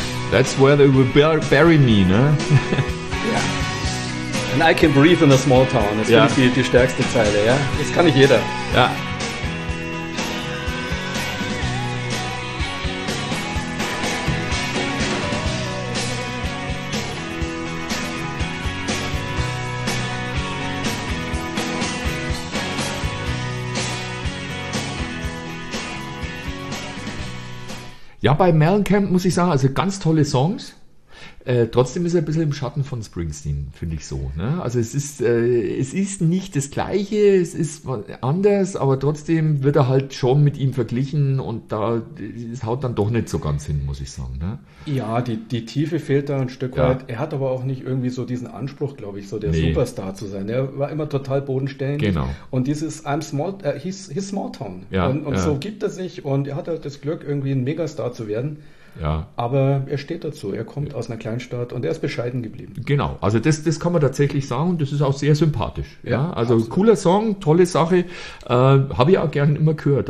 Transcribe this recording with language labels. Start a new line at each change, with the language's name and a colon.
English: That's where they will bury me, ne?
German: Ja.
English: And I can breathe in a small town.
German: Das finde ich die stärkste Zeile, ja? Das kann nicht jeder. Ja. Ja, bei Mellencamp muss ich sagen, also ganz tolle Songs. Trotzdem ist er ein bisschen im Schatten von Springsteen, finde ich so. Ne? Also es ist nicht das Gleiche, es ist anders, aber trotzdem wird er halt schon mit ihm verglichen und da es haut dann doch nicht so ganz hin, muss ich sagen. Ne? Ja, die Tiefe fehlt da ein Stück weit. Er hat aber auch nicht irgendwie so diesen Anspruch, glaube ich, so der Superstar zu sein. Er war immer total bodenständig. Genau.
English: Und dieses I'm small, his small town.
German: Ja, und so gibt er sich und er hat halt das Glück, irgendwie ein Megastar zu werden. Ja. Aber er steht dazu, er kommt aus einer Kleinstadt und er ist bescheiden geblieben. Genau, also das kann man tatsächlich sagen und das ist auch sehr sympathisch. Ja, also absolut. Cooler Song, tolle Sache, habe ich auch gerne immer gehört.